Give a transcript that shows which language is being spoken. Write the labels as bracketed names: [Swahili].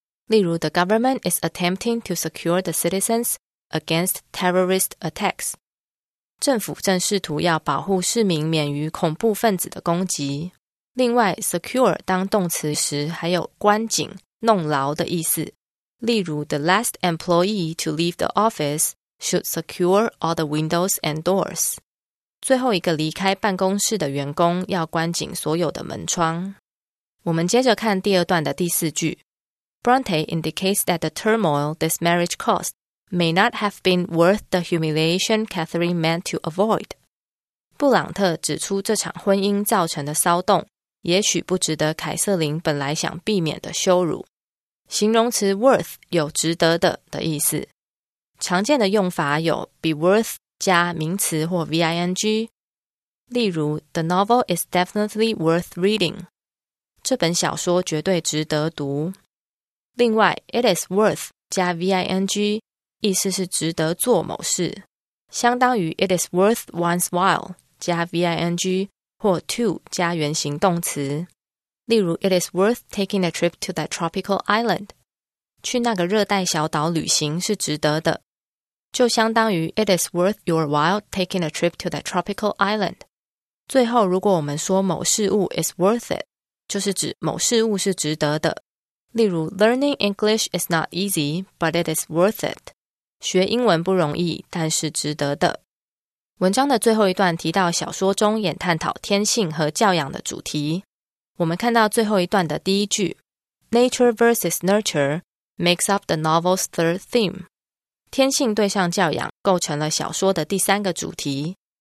[Chinese] 例如 [English] The government is attempting to secure the citizens against terrorist attacks. [Chinese] 政府正试图要保护市民免于恐怖分子的攻击。另外 secure 当动词时还有关紧、弄牢的意思。例如 [English] The last employee to leave the office should secure all the windows and doors. [Chinese] 最后一个离开办公室的员工要关紧所有的门窗。我们接着看第二段的第四句。 [English] Bronte indicates that the turmoil this marriage caused may not have been worth the humiliation Catherine meant to avoid. [Chinese] 布朗特指出这场婚姻造成的骚动也许不值得凯瑟琳本来想避免的羞辱。形容词 worth 有值得的的意思。常见的用法有 be worth 加名词或 ving。例如 [English] The novel is definitely worth reading. [Chinese] 这本小说绝对值得读。另外 it is worth 加 ving 意思是值得做某事，相当于 [English] it is worth one's while [Chinese] 加 ving 或 to 加原形动词。 [English] 例如 it is worth taking a trip to that tropical island， [Chinese] 去那个热带小岛旅行是值得的，就相当于 [English] it is worth your while taking a trip to that tropical island。 [Chinese] 最后如果我们说某事物 is worth it， 就是指某事物是值得的。例如 [English] Learning English is not easy, but it is worth it. [Chinese] 学英文不容易，但是值得的。文章的最后一段提到小说中也探讨天性和教养的主题。我们看到最后一段的第一句 [English] Nature versus Nurture makes up the novel's third theme. [Chinese] 天性对上教养构成了小说的第三个主题。